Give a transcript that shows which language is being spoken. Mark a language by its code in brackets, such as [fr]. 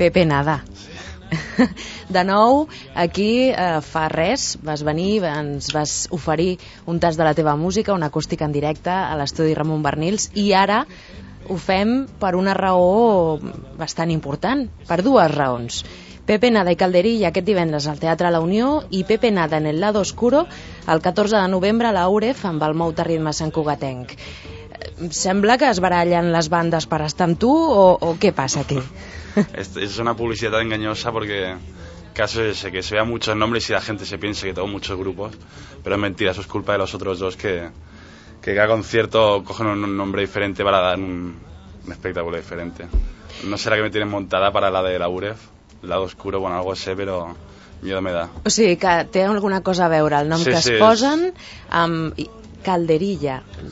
[ca] Pepe Nada. Sí. De nou, aquí fa res, vas venir, ens vas oferir un tast de la teva música, una acústica en directe a l'estudi Ramon Barnils, i ara ho fem per una raó bastant important, per dues raons. Pepe Nada i Calderilla aquest divendres al Teatre La Unió, i Pepe Nada en el Lado Oscuro el 14 de novembre a l'Auref amb el Mou de Ritme Sant Cugatenc. Sembla que es barallen les bandes per estar amb tu, o què passa aquí? [es] Es una publicidad engañosa porque caso es ese, que se vea muchos nombres y la gente se piense que tengo muchos grupos, pero es mentira, eso es culpa de los otros dos que cada concierto cogen un nombre diferente para dar un espectáculo diferente. No será que me tienen montada para la de la UREF, Lado Oscuro, bueno, algo sé, pero miedo me da. [ca] O sigui, que té alguna cosa a veure el nom, sí, que sí, es posen amb Calderilla.